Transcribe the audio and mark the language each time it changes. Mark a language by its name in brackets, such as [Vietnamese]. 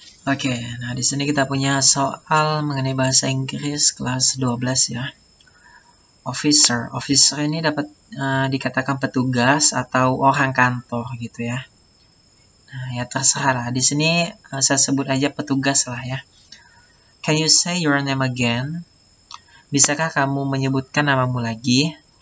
[Indonesian] Oke, nah di sini kita punya soal mengenai bahasa Inggris kelas 12 ya. Officer. Officer ini dapat dikatakan petugas atau orang kantor gitu ya. Nah, ya terserah lah. Di sini saya sebut aja petugas lah ya. [English] Can you say your name again? [Indonesian] Bisakah kamu menyebutkan namamu lagi?